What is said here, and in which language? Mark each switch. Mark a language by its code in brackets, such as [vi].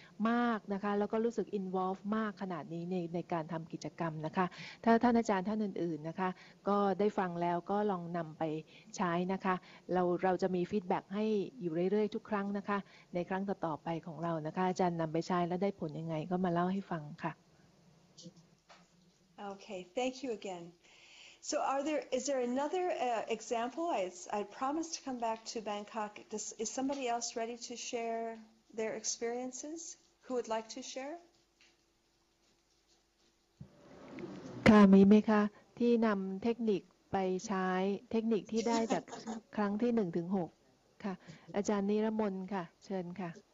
[th] มากนะคะแล้วก็รู้สึกอินวอลฟ์มากขนาดนี้ในการทำกิจกรรมนะคะถ้าท่านอาจารย์ท่านอื่นๆนะคะก็ได้ฟังแล้วก็ลองนำไปใช้นะคะเราจะมีฟีดแบ็กให้อยู่เรื่อยๆทุกครั้งนะคะในครั้งต่อๆไปของเรานะคะอาจารย์นำไปใช้แล้วได้ผลยังไงก็มาเล่าให้ฟังค่ะ [en] โอเค thank you again so is there another example I promised to come back to Bangkok is somebody else ready to share their experiences who would like to share [th] ค่ะมีไหมคะที่นำเทคนิคไปใช้เทคนิคที่ได้จากครั้งที่1ถึง6ค่ะอาจารย์นิรมนค่ะเชิญค่ะ